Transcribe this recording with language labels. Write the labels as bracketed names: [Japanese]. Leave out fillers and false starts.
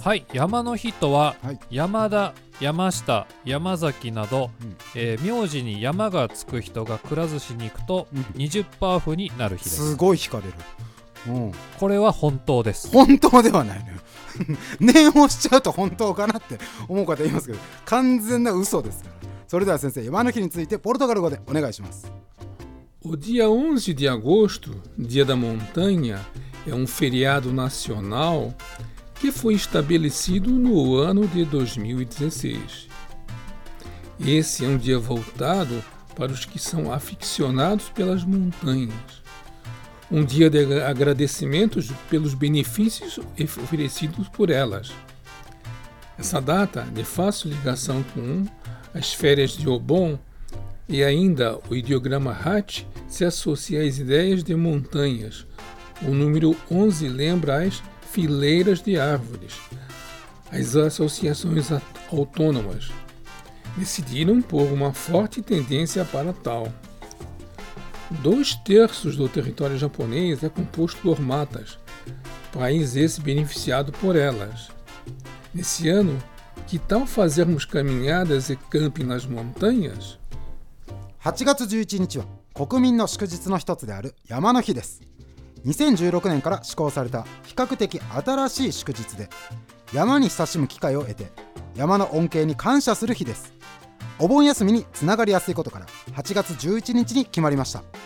[Japanese] はい、山の日とは、はい、山田、山下、山崎など、名字に山がつく人がくら寿司に行くと 20% オフになる日です。すごい引かれる、これは本当です。本当ではないのよ念をしちゃうと本当かなって思う方言いますけど、完全な嘘ですから。それでは先生、山の日についてポルトガル語でお願いします。 [Portuguese] O dia 11 de agosto, dia da montanha, é um feriado nacional que foi estabelecido no ano de 2016. Esse é um dia voltado para os que são aficionados pelas montanhas. Um dia de agradecimentos pelos benefícios oferecidos por elas. Essa data de fácil ligação com as férias de Obon e ainda o ideograma Hat se associa às ideias de montanhas. O número 11 lembra as fileiras de árvores, as associações autônomas. Decidiram por uma forte tendência para tal. Dois terços do território japonês é composto por matas, país esse beneficiado por elas. Nesse ano, que tal fazermos caminhadas e camping nas montanhas? [Japanese] 8月11日は国民の祝日の一つである山の日です。 2016年から施行された比較的新しい祝日で、山に親しむ機会を得て山の恩恵に感謝する日です。お盆休みにつながりやすいことから8月11日に決まりました。